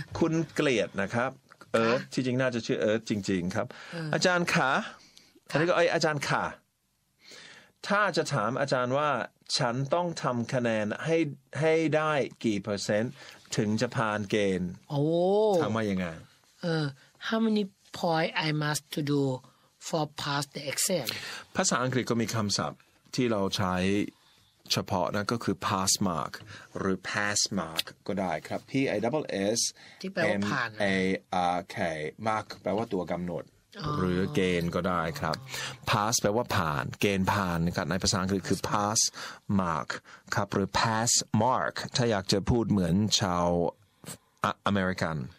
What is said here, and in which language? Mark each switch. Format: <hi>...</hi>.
<th>คุณเกลียดนะครับเอิร์ธจริงๆน่าจะชื่อเอิร์ธจริงๆครับอาจารย์ขาอันนี้ก็ไออาจารย์ขาถ้าจะถามอาจารย์ว่าฉันต้องทำคะแนนให้ได้กี่เปอร์เซ็นต์ถึงจะผ่านเกณฑ์โอ้ ถามว่ายังไง</th> <en>How many points I must to do for pass the exam</en> <th>ภาษาอังกฤษก็มีคำศัพท์ที่เราใช้เฉพาะนะก็คือ pass mark หรือ pass mark ก็ได้ครับ</th> <en>PASSMARK</en> <th>mark แปลว่าตัวกำหนดหรือเกณฑ์ก็ได้ครับ pass แปลว่าผ่านเกณฑ์ผ่านนะครับในภาษาอังกฤษคือ pass mark ครับหรือ pass mark ถ้าอยากจะพูดเหมือนชาวอเมริกัน</th>